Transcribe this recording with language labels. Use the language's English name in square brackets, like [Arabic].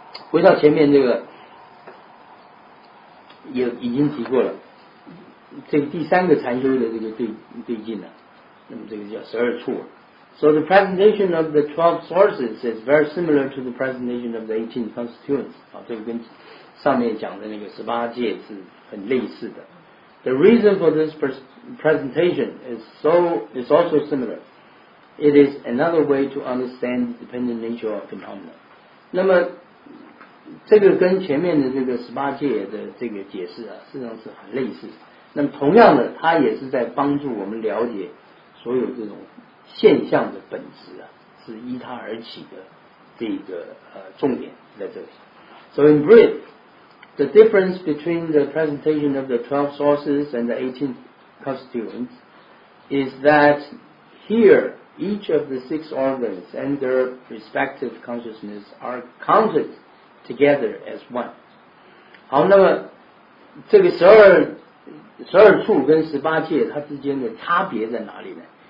[Chinese] 回到前面这个也已经提过了，这个第三个禅修的这个对境呢，那么这个叫十二处。 [English] So the presentation of the 12 sources is very similar to the presentation of the 18 constituents. [Chinese] 啊，这个跟上面讲的那个十八戒是很类似的。 [English] The reason for this presentation is also similar. It is another way to understand the dependent nature of phenomena. [Chinese] 那么这个跟前面的这个十八戒的这个解释啊，事实上是很类似。那么同样的，它也是在帮助我们了解所有这种现象的本质啊，是依它而起的这个重点在这里。 [English] So in brief, the difference between the presentation of the 12 sources and the 18 constituents is that here each of the six organs and their respective consciousness are counted. Together as one. [Chinese] 好，那么这个十二处跟十八戒它之间的差别在哪里呢？